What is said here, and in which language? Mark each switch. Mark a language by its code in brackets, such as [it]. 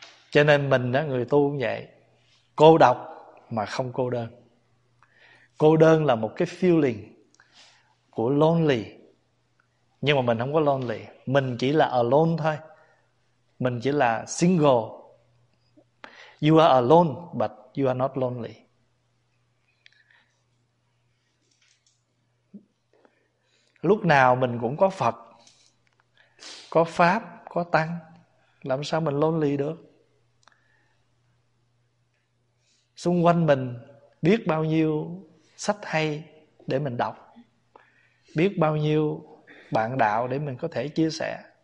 [vi] Cho nên mình á, người tu cũng vậy, cô độc mà không cô đơn. Cô đơn là một cái [en] feeling [vi] của [en] lonely, [vi] nhưng mà mình không có lonely, mình chỉ là [en] alone [vi] thôi. Mình chỉ là [en] single. You are alone but you are not lonely. [vi] Lúc nào mình cũng có Phật, có pháp, có tăng, làm sao mình [en] lonely [vi] được? Xung quanh mình biết bao nhiêu sách hay để mình đọc, biết bao nhiêu bạn đạo để mình có thể chia sẻ.